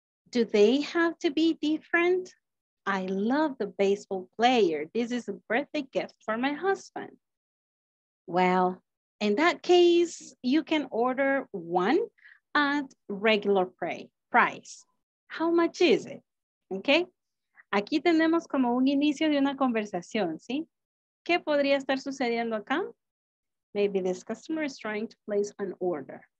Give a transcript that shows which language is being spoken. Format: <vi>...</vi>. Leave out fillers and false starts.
<en>Do they have to be different? I love the baseball player. This is a birthday gift for my husband. Well, in that case, you can order one at regular price. How much is it?</en> <es>Okay, aquí tenemos como un inicio de una conversación, ¿sí? ¿Qué podría estar sucediendo acá?</es> <en>Maybe this customer is trying to place an order.</en>